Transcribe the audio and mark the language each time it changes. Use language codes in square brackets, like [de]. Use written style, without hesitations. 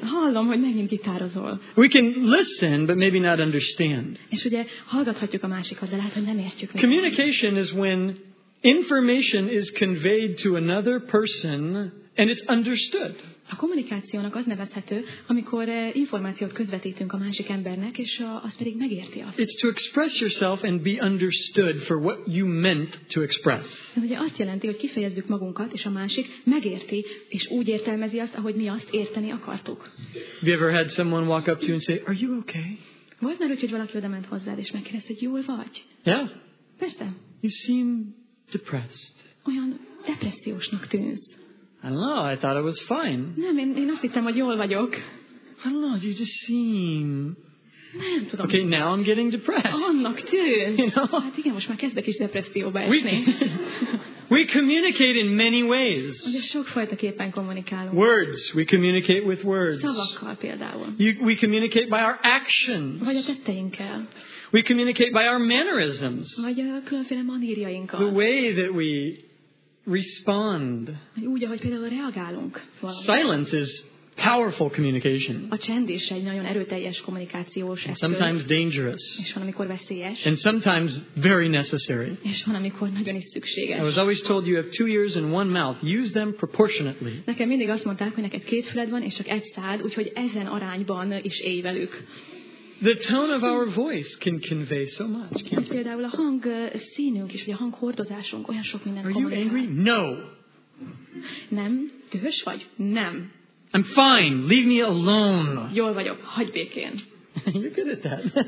[hu] Hallom, hogy megint gitározol. [en] We can listen, but maybe not understand. [hu] És ugye hallgathatjuk a másikat, de lehet, hogy nem értjük. [en] Communication is when information is conveyed to another person and it's understood. [hu] A kommunikációnak az nevezhető, amikor információt közvetítünk a másik embernek, és az pedig megérti azt. [en] It's to express yourself and be understood for what you meant to express. [hu] Ez ugye azt jelenti, hogy kifejezzük magunkat, és a másik megérti, és úgy értelmezi azt, ahogy mi azt érteni akartuk. [en] Have you ever had someone walk up to you and say, are you okay? [hu] Volt már úgy, hogy valaki odament hozzád, és megkérdezte, hogy jól vagy? [en] Yeah. [hu] Persze. [en] You seem depressed. [hu] Olyan depressziósnak tűnsz. [en] I don't know, I thought I was fine. [hu] Nem, én azt hittem, hogy jól vagyok. [en] I don't know, you just seem... [hu] Nem tudom. [en] Okay, now I'm getting depressed. [hu] Annak tűn. [en] You know? [hu] Hát igen, most már kezdek is depresszióba esni. [en] We communicate in many ways. [hu] Sokfajtaképpen kommunikálunk. [en] Words, we communicate with words. [hu] Szavakkal például. [en] We communicate by our actions. [hu] Vagy a tetteinkkel. [en] We communicate by our mannerisms. [hu] Vagy a különféle manírjainkkal. [en] The way that we... respond. [hu] Úgy, ahogy például reagálunk. [en] Silence is powerful communication. [hu] A csend is egy nagyon erőteljes kommunikációs eszköz. [en] Sometimes dangerous. [hu] És van, amikor veszélyes. [en] And sometimes very necessary. [hu] És van, amikor nagyon is szükséges. [en] I was always told you have two ears and one mouth. Use them proportionately. [hu] Nekem mindig azt mondták, hogy neked két füled van és csak egy szád, úgyhogy ezen arányban is élj velük. [en] The tone of our voice can convey so much, can't it? [hu] Például a hang színünk is, vagy a hanghordozásunk olyan sok mindent kommunikál. [en] Are you angry? No. [hu] Nem. Dühös vagy? Nem. [en] I'm fine. Leave me alone. [hu] Jól vagyok. Hagyj békén. [en] You're good at that.